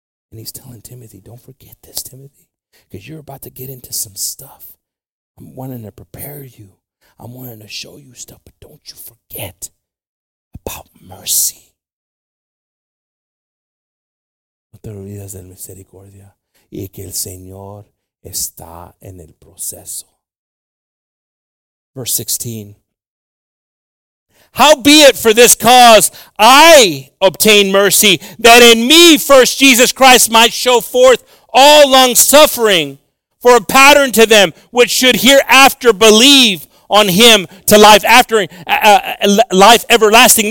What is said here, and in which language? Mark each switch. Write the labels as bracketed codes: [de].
[en] And he's telling Timothy, don't forget this, Timothy, because you're about to get into some stuff. I'm wanting to prepare you. I'm wanting to show you stuff, but don't you forget about mercy. [es] No te olvides de misericordia y que el Señor está en el proceso. [en] Verse 16. Howbeit for this cause I obtain mercy, that in me first Jesus Christ might show forth all long suffering for a pattern to them which should hereafter believe on him to life after life everlasting.